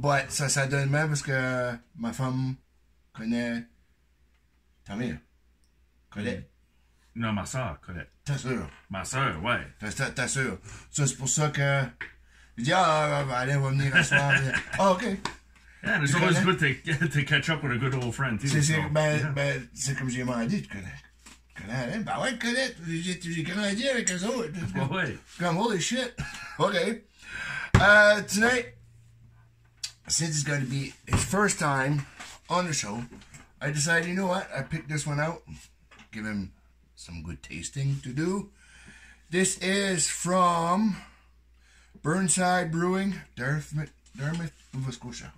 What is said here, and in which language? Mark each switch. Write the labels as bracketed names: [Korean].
[French] But ça donne même parce que ma femme connaît ta mère. Colette. Non, ma soeur, Colette. Ta soeur. Ma soeur, ouais. Ta soeur. Ça, c'est pour ça que... Je dis, ah, allez, on va venir asseoir. [English] Oh, OK. Yeah, it's always good to catch up with a good old friend, too. [French] C'est comme j'ai demandé, tu connais. Ben ouais, Colette, j'ai grandi avec eux autres. Ouais. [English] Comme, holy shit. OK. Tonight, since it's going to be his first time on the show, I decided, you know what, I picked this one out. Give him some good tasting to do. This is from Burnside Brewing, Dartmouth, Nova Scotia.